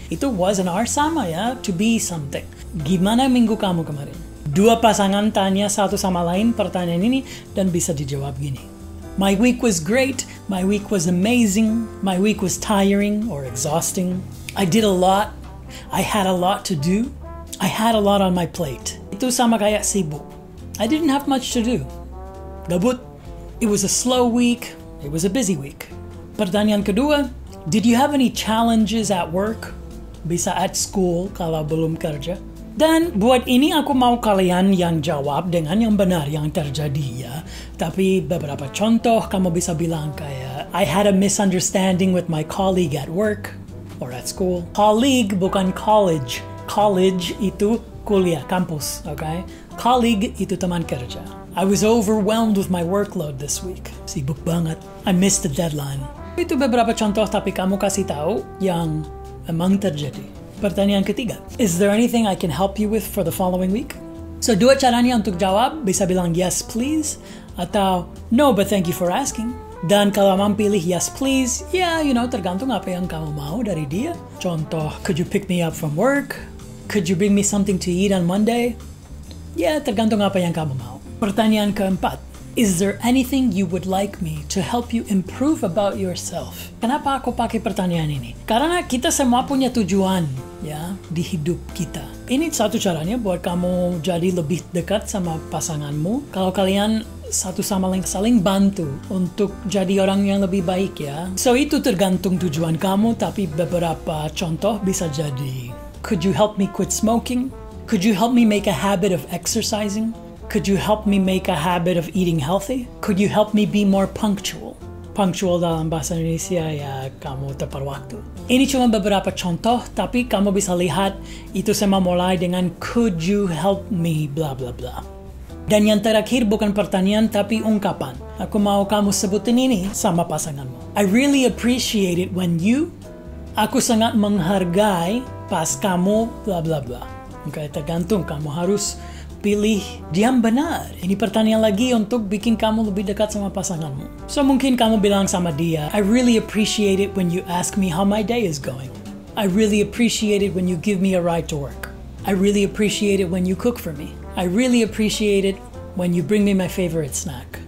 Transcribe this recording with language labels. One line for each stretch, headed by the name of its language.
Indonesian: Itu
English: was and are
Indonesian: sama ya,
English: to be something.
Indonesian: Gimana minggu kamu kemarin? Dua pasangan tanya satu sama lain pertanyaan ini dan bisa dijawab gini.
English: My week was great. My week was amazing. My week was tiring or exhausting. I did a lot. I had a lot to do. I had a lot on my plate.
Indonesian: Itu sama kayak sibuk.
English: I didn't have much to do.
Indonesian: Gabut.
English: It was a slow week. It was a busy week.
Indonesian: Pertanyaan kedua.
English: Did you have any challenges at work? Bisa at school
Indonesian: kalau belum kerja. Dan buat ini aku mau kalian yang jawab dengan yang benar yang terjadi ya. Tapi beberapa contoh kamu bisa bilang kayak
English: I had a misunderstanding with my colleague at work or at school.
Indonesian: Colleague bukan college. College itu kuliah, kampus, okay? Colleague itu teman kerja.
English: I was overwhelmed with my workload this week.
Indonesian: Sibuk banget.
English: I missed the deadline.
Indonesian: Itu beberapa contoh tapi kamu kasih tahu yang emang terjadi.
English: Pertanyaan ketiga, is there anything I can help you with for the following week? So,
Indonesian: dua caranya untuk jawab, bisa bilang
English: yes please, atau no but thank you for asking.
Indonesian: Dan kalau mau pilih
English: yes please, yeah, you know,
Indonesian: tergantung apa yang kamu mau dari dia.
English: Contoh, could you pick me up from work? Could you bring me something to eat on Monday?
Indonesian: Yeah, tergantung apa yang kamu mau.
English: Pertanyaan keempat, is there anything you would like me to help you improve about yourself?
Indonesian: Kenapa aku pakai pertanyaan ini? Karena kita semua punya tujuan ya di hidup kita. Ini satu caranya buat kamu jadi lebih dekat sama pasanganmu. Kalau kalian satu sama lain saling bantu untuk jadi orang yang lebih baik ya. So itu tergantung tujuan kamu, tapi beberapa contoh bisa jadi.
English: Could you help me quit smoking? Could you help me make a habit of exercising? Could you help me make a habit of eating healthy? Could you help me be more punctual?
Indonesian: Punctual dalam bahasa Indonesia ya, kamu tepat waktu. Ini cuma beberapa contoh, tapi kamu bisa lihat itu semua mulai dengan
English: could you help me,
Indonesian: bla bla bla. Dan yang terakhir bukan pertanyaan, tapi ungkapan. Aku mau kamu sebutin ini sama pasanganmu.
English: I really appreciate it when you...
Indonesian: Aku sangat menghargai pas kamu, bla bla bla. Oke, tergantung kamu harus pilih diam benar. Ini pertanyaan lagi untuk bikin kamu lebih dekat sama pasanganmu. So mungkin kamu bilang sama dia,
English: I really appreciate it when you ask me how my day is going. I really appreciate it when you give me a ride to work. I really appreciate it when you cook for me. I really appreciate it when you bring me my favorite snack.